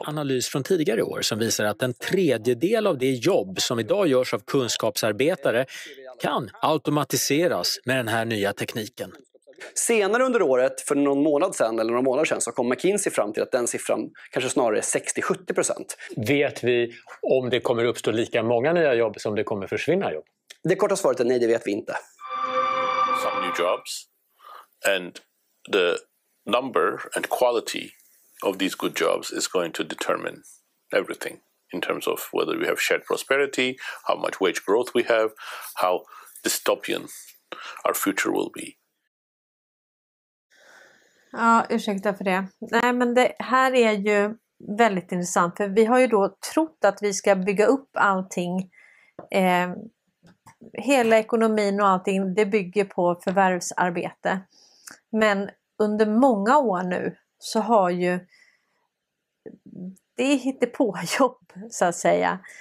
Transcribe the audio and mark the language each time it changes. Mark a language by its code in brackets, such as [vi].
[sv] En analys från tidigare år som visar att en tredjedel av det jobb som idag görs av kunskapsarbetare kan automatiseras med den här nya tekniken. Senare under året, för någon månad sedan eller några månader sedan, så kom McKinsey fram till att den siffran kanske snarare är 60-70%. Vet vi om det kommer uppstå lika många nya jobb som det kommer försvinna jobb? Det korta svaret är nej, det vet vi inte. [en] Some new jobs and the number and quality of these good jobs is going to determine everything in terms of whether we have shared prosperity, how much wage growth we have, how dystopian our future will be. [sv] Ja, ursäkta för det. Nej, men det här är ju väldigt intressant, för vi har ju då trott att vi ska bygga upp allting. Hela ekonomin och allting, det bygger på förvärvsarbete. Men under många år nu så har ju det hittar på jobb, så att säga.